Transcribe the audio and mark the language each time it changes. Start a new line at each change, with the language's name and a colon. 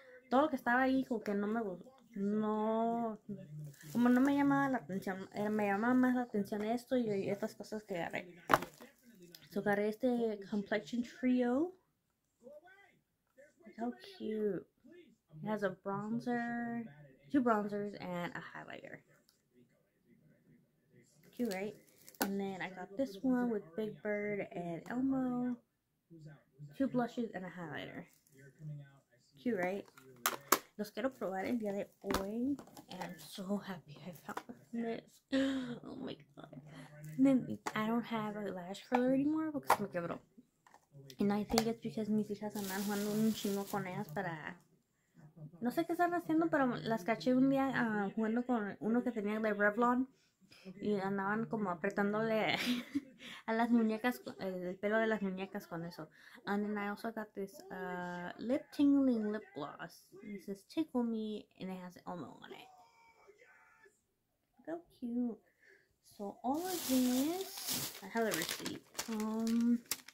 Spanish: Todo lo que estaba ahí, como que no me gustó. No, como no me llamaba la atención, me llamaba más la atención esto y estas cosas que agarré. So, agarré este complexion trio.
English: It's so cute. It has a bronzer, two bronzers, and a highlighter. Cute, right? And then I got this one with Big Bird and Elmo. Two blushes and a highlighter. Cute, right?
Spanish: Los quiero probar el día de hoy.
English: And I'm so happy I found this. Oh my god. And then I don't have a lash curler anymore because
Spanish: me quebró.
English: And I think it's because
Spanish: mis hijas andan jugando un chingo con ellas para. No sé qué están haciendo, pero las caché un día jugando con uno que tenía de Revlon. Y andaban como apretándole a las muñecas, el pelo de las muñecas con eso.
English: And then I also got this liptingling lip gloss. And it says tickle me and it has Elmo on it. Look how cute. So all of this, I have a receipt.